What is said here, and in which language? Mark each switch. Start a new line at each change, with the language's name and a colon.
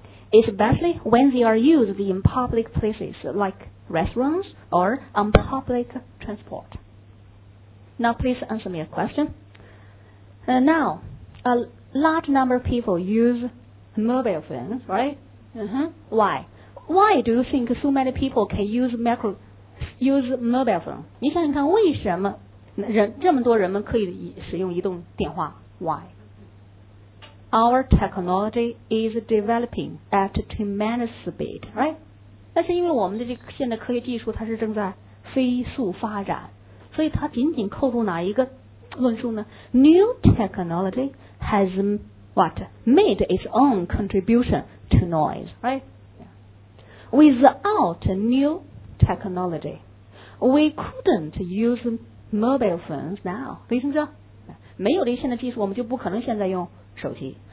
English: Especially when they are used in public places like restaurants or on public transport. Now please answer me a question. Now, a large number of people use mobile phones, right? Uh-huh. Why? Why do you think so many people can use mobile phone?
Chinese: 你想想看为什么这么多人们可以使用移动电话， why？
English: Our technology is developing at tremendous speed, right？
Chinese: 那是因为我们的这个现在科学技术它是正在飞速发展，所以它仅仅扣住哪一个论述呢？
English: New technology has what made its own contribution to noise, right？ Without new technology, we couldn't use mobile phones now，
Chinese: 可以听着，没有这现代技术我们就不可能现在用手机。